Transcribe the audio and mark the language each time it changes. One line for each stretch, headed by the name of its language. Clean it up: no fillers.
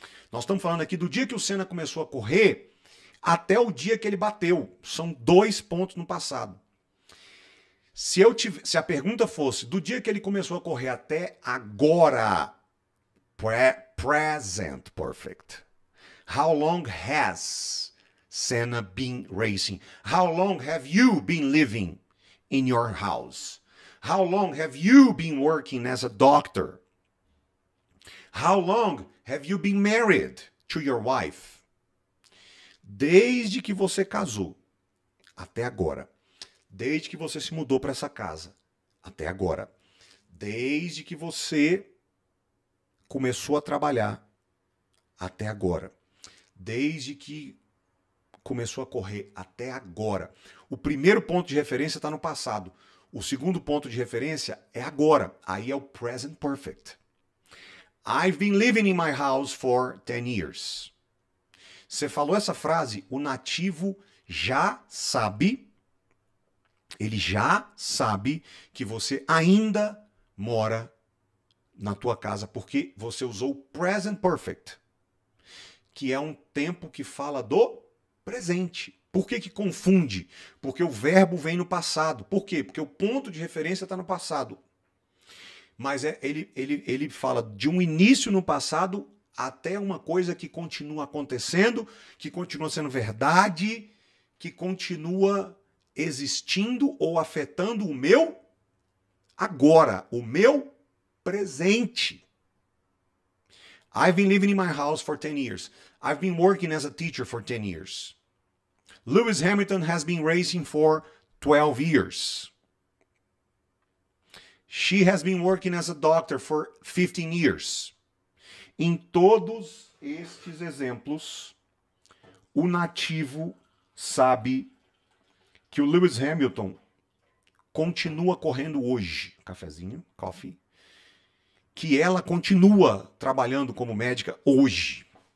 Portuguese: Nós estamos falando aqui do dia que o Senna começou a correr até o dia que ele bateu. São dois pontos no passado. Se a pergunta fosse do dia que ele começou a correr até agora, present perfect.
English: How long has Senna been racing? How long have you been living in your house? How long have you been working as a doctor? How long have you been married to your wife?
Portuguese: Desde que você casou até agora. Desde que você se mudou para essa casa até agora. Desde que você começou a trabalhar até agora. Desde que começou a correr até agora. O primeiro ponto de referência está no passado. O segundo ponto de referência é agora. Aí é o present perfect.
English: I've been living in my house for 10 years.
Portuguese: Você falou essa frase, o nativo já sabe. Ele já sabe que você ainda mora na tua casa, porque você usou o present perfect, que é um tempo que fala do presente. Por que que confunde? Porque o verbo vem no passado. Por quê? Porque o ponto de referência está no passado. Mas ele fala de um início no passado até uma coisa que continua acontecendo, que continua sendo verdade, que continua existindo ou afetando o meu agora, o meu presente.
English: I've been living in my house for 10 years. I've been working as a teacher for 10 years. Lewis Hamilton has been racing for 12 years. She has been working as a doctor for 15 years.
Portuguese: Em todos estes exemplos, o nativo sabe que o Lewis Hamilton continua correndo hoje. Cafezinho, coffee. Que ela continua trabalhando como médica hoje.